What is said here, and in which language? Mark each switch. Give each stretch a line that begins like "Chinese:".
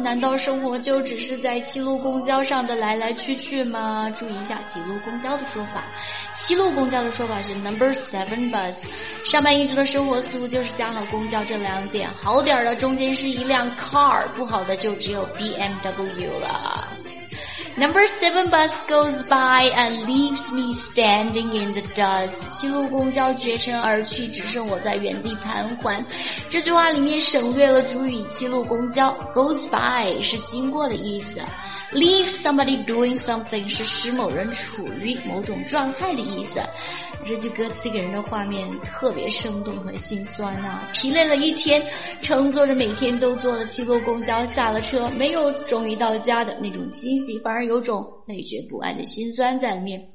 Chinese: 难道生活就只是在七路公交上的来来去去吗？注意一下几路公交的说法，七路公交的说法是 number 7 bus。上班一周的生活似乎就是加好公交这两点，好点的中间是一辆 car， 不好的就只有 BMW 了。
English: Number 7 bus goes by and leaves me standing in the dust.
Chinese: 七路公交绝尘而去，只剩我在原地盘桓。这句话里面省略了主语七路公交， goes by 是经过的意思，
English: leave somebody doing something
Chinese: 是使某人处于某种状态的意思。这句歌词给人的画面特别生动和心酸啊，疲累了一天，乘坐着每天都坐的七路公交下了车，没有终于到家的那种欣喜，反而有种累觉不安的心酸在里面。